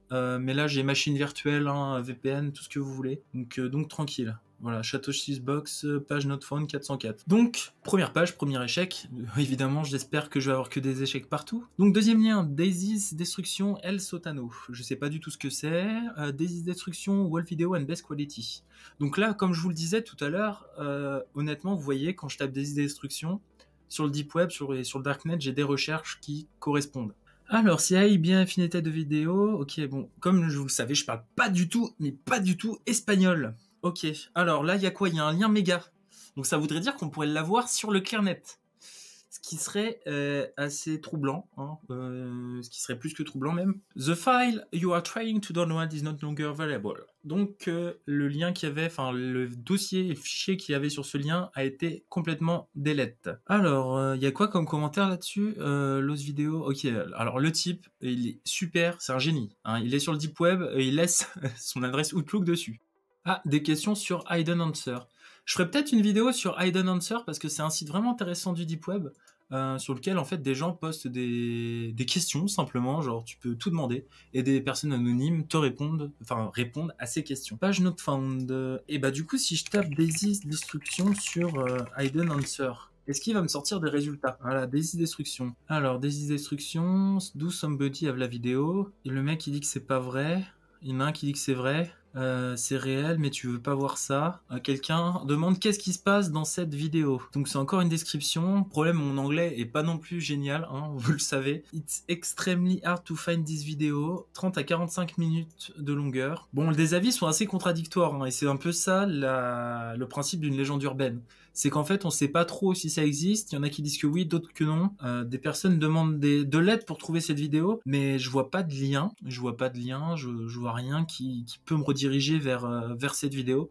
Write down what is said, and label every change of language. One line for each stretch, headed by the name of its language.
French: Mais là, j'ai machine virtuelle, hein, VPN, tout ce que vous voulez. Donc tranquille. Voilà, Château 6 Box, page Not Found 404. Donc, première page, premier échec. Évidemment, j'espère que je vais avoir que des échecs partout. Donc, deuxième lien, Daisy's Destruction El Sotano. Je sais pas du tout ce que c'est.
English: Daisy's Destruction Wall Video and Best Quality.
French: Donc là, comme je vous le disais tout à l'heure, honnêtement, vous voyez, quand je tape Daisy's Destruction, sur le Deep Web, sur le Darknet, j'ai des recherches qui correspondent. Alors, si AI bien affinité de vidéo, ok, bon, comme vous le savez, je parle pas du tout, mais pas du tout espagnol. Ok, alors là, il y a quoi? Il y a un lien méga. Donc ça voudrait dire qu'on pourrait l'avoir sur le clearnet. Ce qui serait assez troublant. Hein. Ce qui serait plus que troublant même.
English: The file you are trying to download is not longer available.
French: Donc le lien qu'il y avait, enfin le dossier et le fichier qu'il y avait sur ce lien a été complètement delete. Alors, il y a quoi comme commentaire là-dessus? L'autre vidéo. Ok, alors le type, il est super, c'est un génie. Hein. Il est sur le deep web et il laisse son adresse Outlook dessus. Ah, des questions sur Hidden Answer. Je ferai peut-être une vidéo sur Hidden Answer parce que c'est un site vraiment intéressant du Deep Web sur lequel en fait des gens postent des questions simplement, genre tu peux tout demander et des personnes anonymes te répondent, enfin répondent à ces questions. Page Not Found. Et bah du coup, si je tape Basis Destruction sur Hidden Answer, est-ce qu'il va me sortir des résultats? Voilà, Basis Destruction. Alors, Basis Destruction,
English: do somebody have
French: la vidéo. Et le mec il dit que c'est pas vrai, il y en a un qui dit que c'est vrai. C'est réel, mais tu veux pas voir ça. Quelqu'un demande qu'est-ce qui se passe dans cette vidéo. Donc c'est encore une description. Problème, mon anglais est pas non plus génial, hein, vous le savez.
English: It's extremely hard to find this video.
French: 30 à 45 minutes de longueur. Bon, les avis sont assez contradictoires, hein, et c'est un peu ça le principe d'une légende urbaine. C'est qu'en fait, on sait pas trop si ça existe. Il y en a qui disent que oui, d'autres que non. Des personnes demandent de l'aide pour trouver cette vidéo, mais je vois pas de lien. Je vois pas de lien, je vois rien qui peut me rediriger vers cette vidéo.